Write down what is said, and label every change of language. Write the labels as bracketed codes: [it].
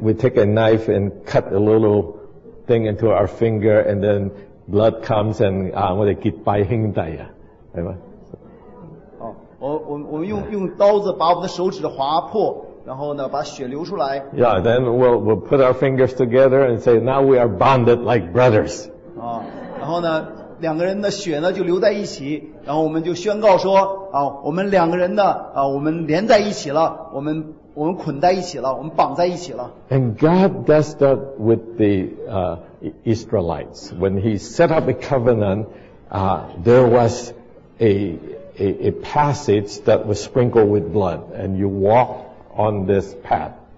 [en] We take a knife and cut a little thing into our finger, and then blood comes and [zh] 我得给掰兄弟呀，对吧？我们用刀子把我们的手指划破，然后呢把血流出来。 [en] Yeah, then we'll put our fingers together and say, now we are bonded like brothers. [zh] 然后呢？两个人的血呢就流在一起，然后我们就宣告说我们两个人呢我们连在一起了，我们捆在一起了，我们绑在一起了。 [en] And God does that with the Israelites. When he set up a covenant, there was a passage that was sprinkled with blood, and you walk on this path.